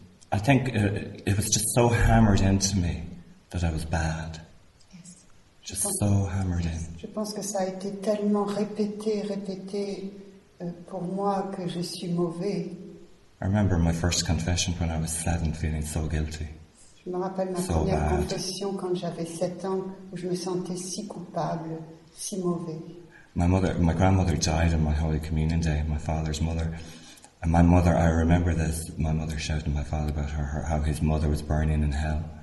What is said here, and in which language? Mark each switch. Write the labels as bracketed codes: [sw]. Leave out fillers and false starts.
[en] I think it was just so hammered into me that I was bad. Yes. Just so hammered in. [fr] Je pense que ça a été tellement répété pour moi que je suis mauvais. [en] I remember my first confession when I was 7, feeling so guilty. [fr] Je me rappelle ma première confession quand j'avais 7 ans, où je me sentais si coupable, si mauvais. [en] My grandmother died on my Holy Communion Day, my father's mother. And my mother, I remember this, my mother shouted to my father about her, how his mother was burning in hell.